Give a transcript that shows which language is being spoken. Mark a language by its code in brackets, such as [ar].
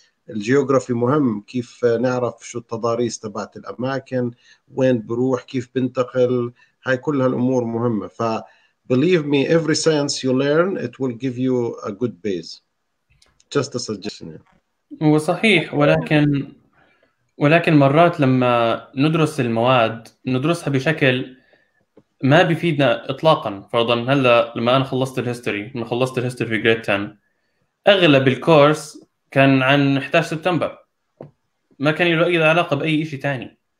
[ar] الجيوغرافي مهم، كيف نعرف شو التضاريس تبعت الاماكن، وين بروح، كيف بنتقل، هاي كلها الامور مهمة. [en] ف believe me, every science you learn, it will give you a good base. Just a suggestion. [ar] هو صحيح، ولكن مرات لما ندرس المواد ندرسها بشكل ما بيفيدنا اطلاقا. فرضا هلا لما انا خلصت الهيستوري، لما خلصت الهيستوري في جريد 10 اغلب الكورس كان عن 11 سبتمبر، ما كان له اي علاقه باي شيء تاني.